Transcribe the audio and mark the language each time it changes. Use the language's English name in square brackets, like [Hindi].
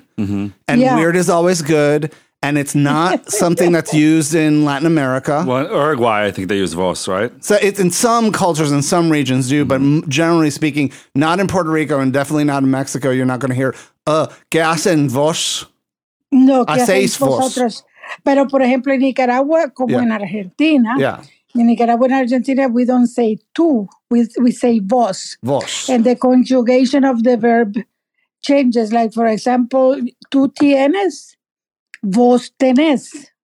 [English] mm-hmm. and weird is always good. And it's not something that's used in Latin America. Well, Uruguay, I think they use vos, right? So it's in some cultures, in some regions do, mm-hmm. but generally speaking, not in Puerto Rico and definitely not in Mexico. You're not going to hear, [Spanish] ¿qué hacen vos? No, ¿qué hacéis vosotros? Pero, por ejemplo, en Nicaragua, como yeah. en Argentina, [English] yeah. in Nicaragua and Argentina, we don't say tú, we say vos. [Spanish] Vos. [English] And the conjugation of the verb changes. Like, for example, [Spanish] tú tienes, vos tenés.